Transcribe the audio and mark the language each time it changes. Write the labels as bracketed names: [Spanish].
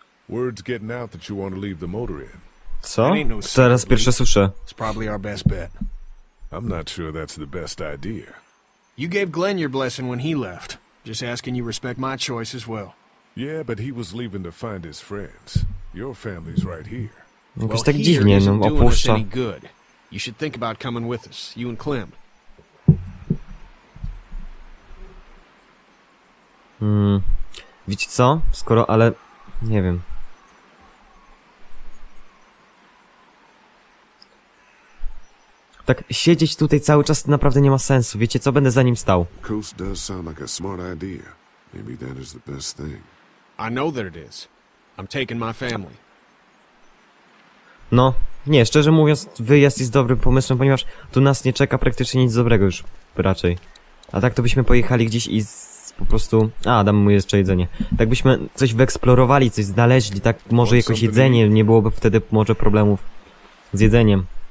[English] Word's getting out that you want to leave the motor in. [Polish] Co? Teraz pierwsze słyszę. [English] It's probably our best bet. I'm not sure that's the best idea. You gave Glenn your blessing when he left. Just asking you respect my choice as well. Yeah, but he was leaving to find his friends. Your family's right here. [Polish] Jakoś tak dziwnie, no, opuszcza. [English] You should think about coming with us, you and Clem. [Polish] Wiecie co? Skoro, ale... Nie wiem. Tak siedzieć tutaj cały czas naprawdę nie ma sensu. Wiecie co? Będę za nim stał. [English] Coast does sound like a smart idea. Maybe that is the best thing. I know that it is. I'm taking my family. [Polish] No, nie, szczerze mówiąc, wyjazd jest dobrym pomysłem, ponieważ tu nas nie czeka praktycznie nic dobrego już, raczej. A tak to byśmy pojechali gdzieś i po prostu... A, dam mu jeszcze jedzenie. Tak byśmy coś wyeksplorowali, coś znaleźli, tak może jakoś jedzenie, nie byłoby wtedy może problemów z jedzeniem.